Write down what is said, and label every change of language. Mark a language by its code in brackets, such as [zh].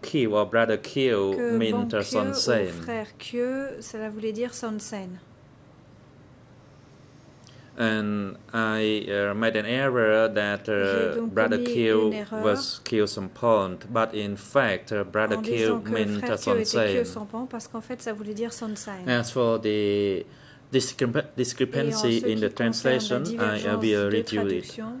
[en] Kieu or brother Kieu meant [fr] Son Sen. Frère Kieu, cela voulait dire Son Sen. [en] And I made an error that brother Kieu was Kieu Sampon, but in fact brother Kieu meant Son Sen. [fr] Kieu Sampon, parce qu'en fait ça voulait dire Son Sen. [en] As for the discrepancy in the translation, I will review it.